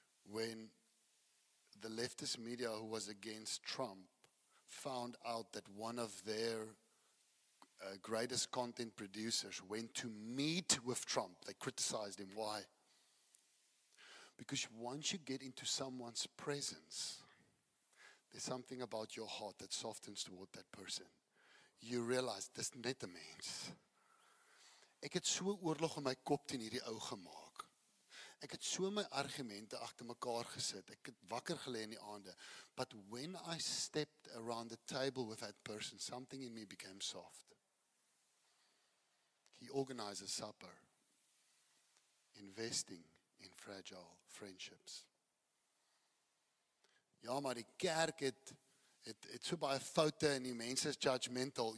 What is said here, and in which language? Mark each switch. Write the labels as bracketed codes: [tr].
[en] When the leftist media who was against Trump found out that one of their greatest content producers went to meet with Trump, they criticized him. Why? Because once you get into someone's presence, there's something about your heart that softens toward that person. You realize [af] this net a mens. Ek het so oorlog in my kop teen hierdie ou gemaak. Ek het so my argumente agter mekaar gesit. Ek het wakker gelê in die aande. [en] But when I stepped around the table with that person, something in me became soft. He organizes supper, investing in fragile friendships. [af] Ja, maar die kerk het so baie foute en die mense is judgmental.